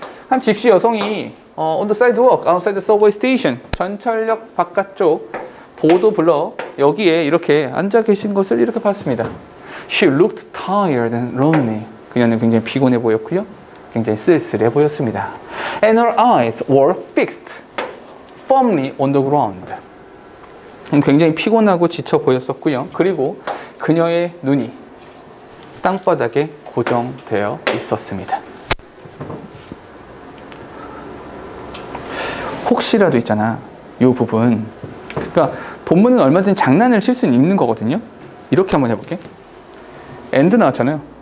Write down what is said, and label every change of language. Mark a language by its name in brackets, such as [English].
[Korean] 한 집시 여성이 [English] on the sidewalk, outside the subway station, [Korean] 전철역 바깥쪽 보도 불러 여기에 이렇게 앉아 계신 것을 이렇게 봤습니다. [English] She looked tired and lonely. [Korean] 그녀는 굉장히 피곤해 보였고요. 굉장히 쓸쓸해 보였습니다. [English] And her eyes were fixed firmly on the ground. [Korean] 굉장히 피곤하고 지쳐 보였었고요. 그리고 그녀의 눈이 땅바닥에 고정되어 있었습니다. 혹시라도 있잖아, 이 부분. 그러니까 본문은 얼마든지 장난을 칠 수는 있는 거거든요. 이렇게 한번 해볼게. and 나왔잖아요.